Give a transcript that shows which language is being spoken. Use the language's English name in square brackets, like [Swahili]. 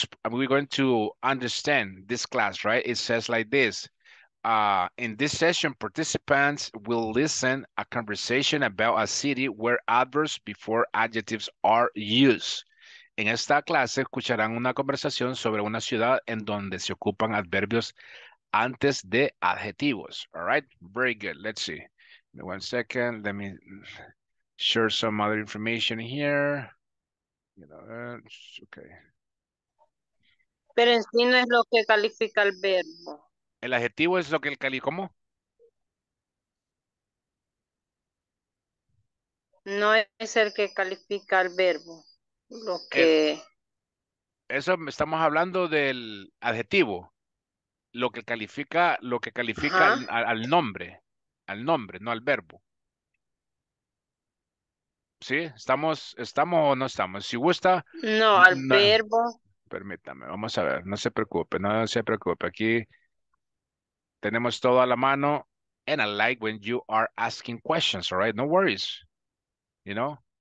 [English] We're going to understand this class, right? It says like this. In this session, participants will listen a conversation about a city where adverbs before adjectives are used. [Spanish] En esta clase, escucharán una conversación sobre una ciudad en donde se ocupan adverbios antes de adjetivos. [English] All right? Very good. Let's see. Give me one second. Let me share some other information here. You know, that's okay. [Spanish] Pero en sí no es lo que califica el verbo. El adjetivo es lo que el califica. ¿Cómo? No es el que califica el verbo. Lo que. Eso estamos hablando del adjetivo. Lo que califica al nombre. Al nombre, no al verbo. ¿Sí? ¿Estamos o no estamos? Si gusta. No, al verbo. permítame, vamos a ver, no se preocupe, no se preocupe, aquí tenemos todo a la mano. [English] And I like when you are asking questions, all right? No worries, you know?